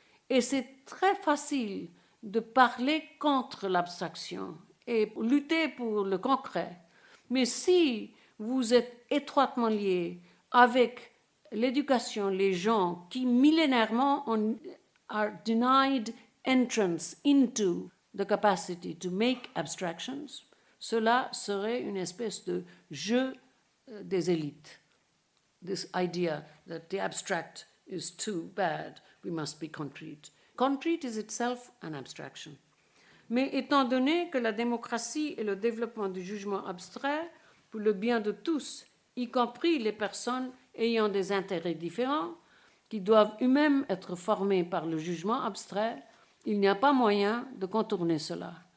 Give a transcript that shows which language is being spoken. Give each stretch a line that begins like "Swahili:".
French: et c'est très facile de parler contre l'abstraction et lutter pour le concret, mais si vous êtes étroitement lié avec l'éducation, les gens qui millénairement ont
English: are denied entrance into the capacity to make abstractions,
French: cela serait une espèce de jeu des élites.
English: This idea that the abstract is too bad, we must be concrete. Concrete is itself an abstraction.
French: Mais étant donné que la démocratie est le développement du jugement abstrait pour le bien de tous, y compris les personnes ayant des intérêts différents, qui doivent eux-mêmes être formés par le jugement abstrait, il n'y a pas moyen de contourner cela.